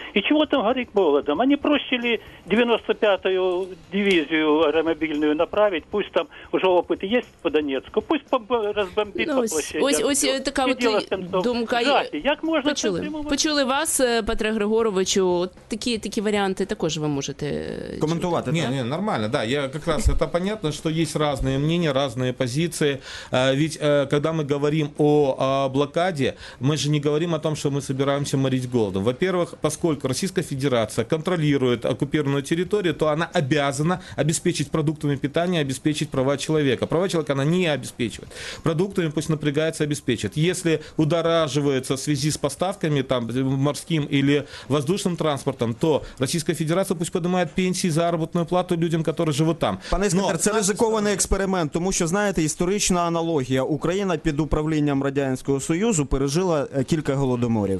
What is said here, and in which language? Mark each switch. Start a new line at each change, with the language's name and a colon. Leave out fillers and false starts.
Ukrainian: І чого там горить молодом? Вони просили 95-ю дивізію аеромобільну направити, пусть там вже опит є по Донецьку, пусть розбомбить по площаді. Ось така от думка. Як можна почули, це тримувати? Почули вас, Петре Григоровичу, такі варіанти також ви можете коментувати. Ні, ні, нормально, да, я якраз
Russian: это понятно, что есть разные мнения, разные позиции. Ведь когда мы говорим о блокаде, мы же не говорим о том, что мы собираемся морить голодом. Во-первых, поскольку Российская Федерация контролирует оккупированную территорию, то она обязана обеспечить продуктами питания, обеспечить права человека. Права человека она не обеспечивает. Продуктами пусть напрягается, обеспечит. Если удораживается в связи с поставками, там, морским или воздушным транспортом, то Российская Федерация пусть поднимает пенсии, заработную плату людям, которые живут там.
Ukrainian: Скандер, це ризикований експеримент, тому що, знаєте, історична аналогія. Україна під управлінням Радянського Союзу пережила кілька голодоморів.